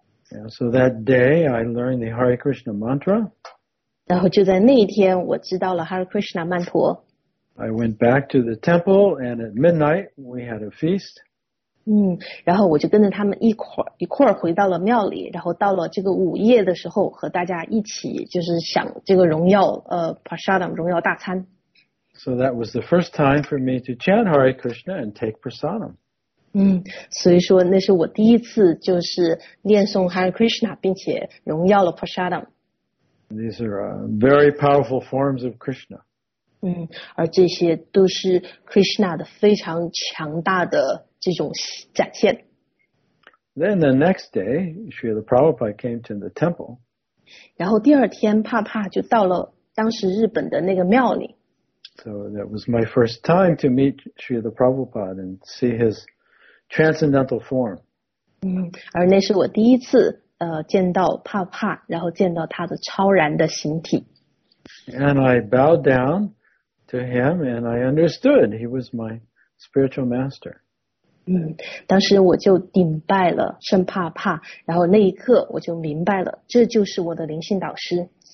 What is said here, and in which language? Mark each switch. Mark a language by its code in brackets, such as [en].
[en] yeah, So that day I learned the Hare Krishna mantra [zh] 然后就在那一天我知道了 Hare Krishna 曼陀 [en] I went back to the temple and at midnight we had a feast [zh] 然后我就跟着他们一块儿回到了庙里然后到了这个午夜的时候和大家一起就是享这个荣耀prasadam 荣耀大餐 [en] So that was the first time for me to chant Hare Krishna and take prasadam [zh] 所以说那是我第一次就是念诵 Hare Krishna 并且荣耀了 prasadam [en] These are very powerful forms of Krishna [zh] 而这些都是 Krishna 的非常强大的这种展现。 [en] Then the next day, Srila Prabhupada came to the temple. [zh] 然后第二天，帕帕就到了当时日本的那个庙里。 [en] So that was my first time to meet Srila Prabhupada and see his transcendental form. [zh] 而那是我第一次见到帕帕，然后见到他的超然的形体。 [en] And I bowed down to him, and I understood he was my spiritual master. [zh] 当时我就顶拜了圣帕帕然后那一刻我就明白了这就是我的灵性导师